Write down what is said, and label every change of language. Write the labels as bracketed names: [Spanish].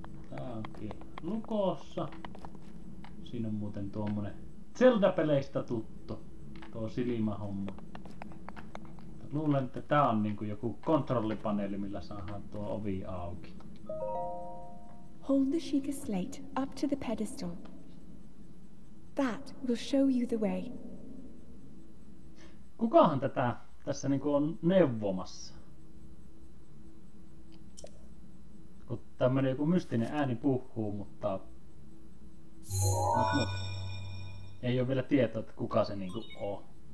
[Finnish] Tää onkin lukossa. Siinä on muuten tuommoinen Zelda-peleistä tuttu tuo silmähomma. Luulen, että tää on niinku joku kontrollipaneeli, millä saadaan tuo ovi auki. [English] Hold the Sheikah slate up to the pedestal. That will show you the way. [Finnish] Kukahan tätä tässä niinku on neuvomassa? Kun tämmönen joku mystinen ääni puhuu, mutta... Mut. Ei ole vielä tietoa, että kuka se niinku on.